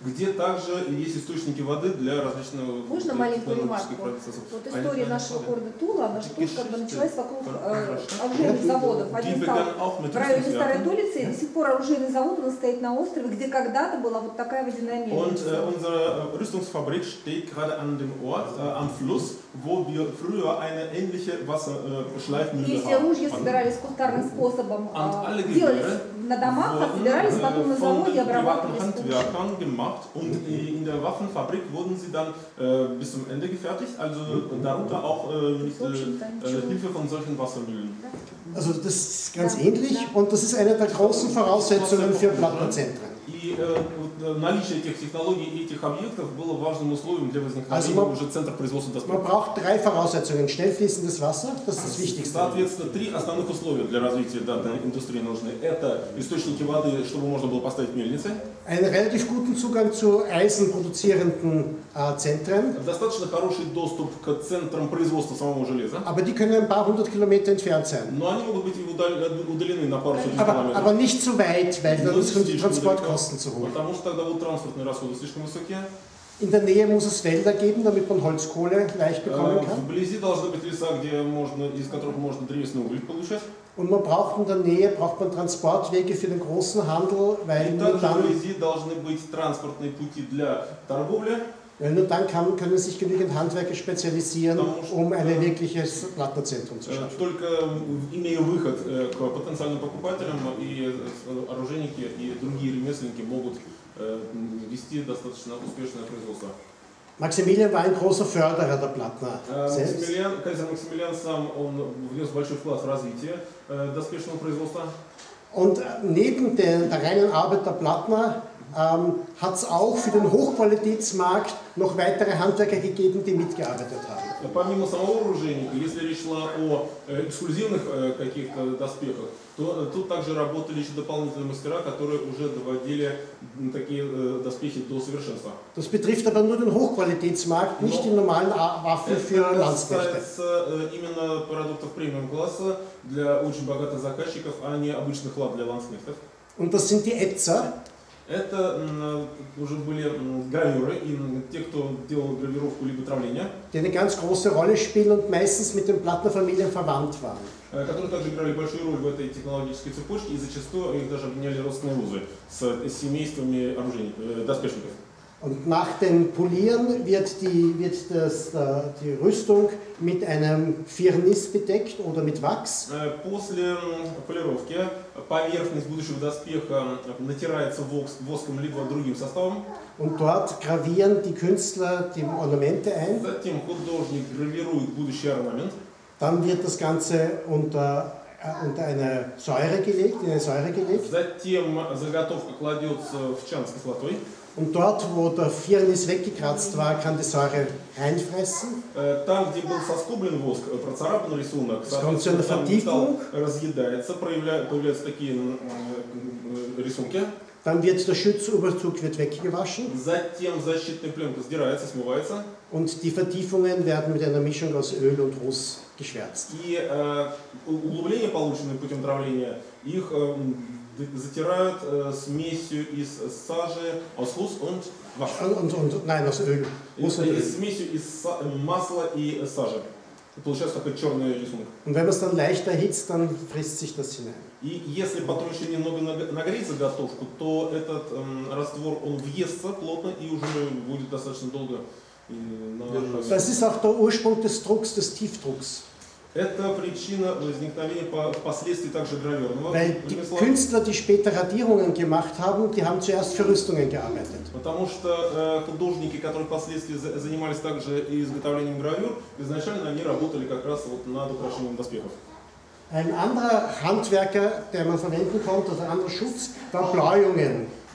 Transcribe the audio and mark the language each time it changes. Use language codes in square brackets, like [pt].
[ru] где также есть источники воды для различного... Можно маленькую ремарку? Вот история нашего города Тула, она же тут как бы началась вокруг оружейных заводов. Один стал в районе Старой Тулицы, и до сих пор оружейный завод стоит на острове, где когда-то была вот такая водяная мельница. И наша [de] Rüstungsfabrik steht gerade an dem Ort, am Fluss, wo wir früher eine ähnliche Wasserschleifmühle hatten. [ru] И все ружья собирались кустарным способом. На домах собирались, потом на заводе обрабатывались. [de] Gemacht und in der Waffenfabrik wurden sie dann bis zum Ende gefertigt, also darunter auch Hilfe von solchen Wassermühlen. Also das ist ganz ähnlich und das ist eine der großen Voraussetzungen für Plattenzentren. [ru] Наличие этих технологий и этих объектов было важным условием для возникновения уже центра производства доспехов. [de] Man braucht drei Voraussetzungen. Schnell fließendes Wasser, das ist das Wichtigste. [ru] Соответственно, три основных условия для развития данной индустрии нужны. Это источники воды, чтобы можно было поставить мельницы. [de] Einen relativ guten Zugang zu eisenproduzierenden Zentren. [ru] Достаточно хороший доступ к центрам производства самого железа. [de] Aber die können ein paar hundert Kilometer entfernt sein. [ru] Но они могут быть удалены на пару сотен километров. [de] Aber nicht zu weit, weil dann sind die Transportkosten zu hoch. [ru] Потому что тогда будут транспортные расходы слишком высокие. [de] In der Nähe muss es Felder geben, damit man Holzkohle leicht bekommen kann. [ru] Вблизи должны быть леса, где можно, из которых можно древесный уголь получать. [de] Und man braucht in der Nähe braucht man Transportwege für den großen Handel, weil und nur dann. [ru] Вблизи должны быть транспортные пути для торговли. [de] Weil nur dann kann, können sich genügend Handwerker spezialisieren, um ein wirkliches Plattenzentrum zu schaffen. [ru] Только имея выход к потенциальным покупателям и оружейники и другие ремесленники могут вести достаточно успешное производство. [de] Maximilian war ein großer Förderer der Plattner. [ru] Maximilian сам, он внес большой вклад в развитие доспешного производства. [de] Und neben der reinen Arbeit der Plattner hat es auch für den Hochqualitätsmarkt noch weitere Handwerker gegeben, die mitgearbeitet haben. [ru] Помимо самого оружейника, если речь шла о эксклюзивных каких-то доспехах, то тут также работали еще дополнительные мастера, которые уже доводили такие доспехи до совершенства. [de] Das betrifft aber nur den Hochqualitätsmarkt, nicht die normalen Waffen für Landsknechte. [ru] Das касается именно продуктов премиум-класса для очень богатых заказчиков, а не обычных лап для ландсмехтов. [de] Und das sind die Etzer. [ru] Это уже были гравюры и те, кто делал гравировку либо травление. [de] Die eine ganz große Rolle spielen und meistens mit den Plattnerfamilien verwandt waren. [ru] Которые также играли большую роль в этой технологической цепочке и зачастую их даже обвиняли родственные узы с семействами доспешников. [de] Und nach dem Polieren wird die Rüstung mit einem Firnis bedeckt oder mit Wachs. [ru] После полировки поверхность будущего доспеха натирается воском либо другим составом. [de] Und dort gravieren die Künstler die Ornamente ein. [ru] Затем художник гравирует будущий орнамент. [de] Dann wird das Ganze unter eine Säure gelegt, [ru] Затем заготовка кладется в чан с кислотой. [de] Und dort, wo der Firnis weggekratzt war, kann die Säure reinfressen. [ru] Там, где был соскоблен воск, процарапан рисунок, разъедается, появляются такие рисунки. [de] Dann wird der Schutzüberzug wird weggewaschen. [ru] Затем защитная пленка сдирается, смывается. [de] Und die Vertiefungen werden mit einer Mischung aus Öl und Ruß geschwärzt. [ru] И углубления, полученные путем травления, их затирают смесью из сажи, [de] aus Ruß und Wasser. Nein, aus Öl. [ru] Смесью из масла и сажи. Получается такой черный рисунок. [de] Und wenn man es dann leicht erhitzt, dann frisst sich das hinein. [ru] И если потом еще немного нагреть заготовку, то этот раствор он въестся плотно и уже будет достаточно долго на [de] Das ist auch der Ursprung des Drucks, des Tiefdrucks. [ru] Это причина возникновения впоследствии также гравюрного ремесла. [de] Künstler, die später Radierungen gemacht haben, die haben zuerst für Rüstungen gearbeitet. [ru] Потому что художники, которые впоследствии занимались также изготовлением гравюр, изначально они работали как раз вот над украшением доспехов. [de] Ein anderer Handwerker, der man verwenden konnte, oder ein anderer Schutz, war Bläuungen.